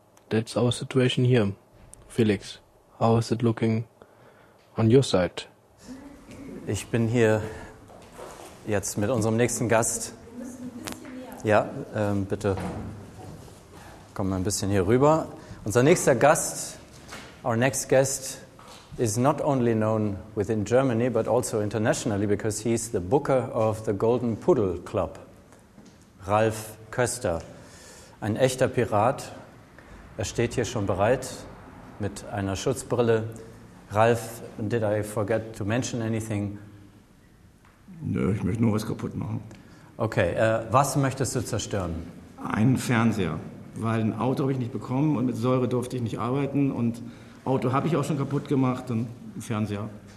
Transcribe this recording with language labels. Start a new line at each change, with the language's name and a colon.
English: That's our situation here, Felix. How is it looking on your side?
German: Ich bin hier jetzt mit unserem nächsten Gast. Ja, bitte komm mal ein bisschen hier rüber. Unser nächster Gast,
English: our next guest, is not only known within Germany, but also internationally, because he's the booker of the Golden Poodle Club, Ralf Köster.
German: Ein echter Pirat. Er steht hier schon bereit mit einer Schutzbrille.
English: Ralf, did I forget to mention anything?
German: Nö, ich möchte nur was kaputt machen. Okay, was möchtest du zerstören? Einen Fernseher, weil ein Auto habe ich nicht bekommen und mit Säure durfte ich nicht arbeiten und Auto habe ich auch schon kaputt gemacht, und Fernseher.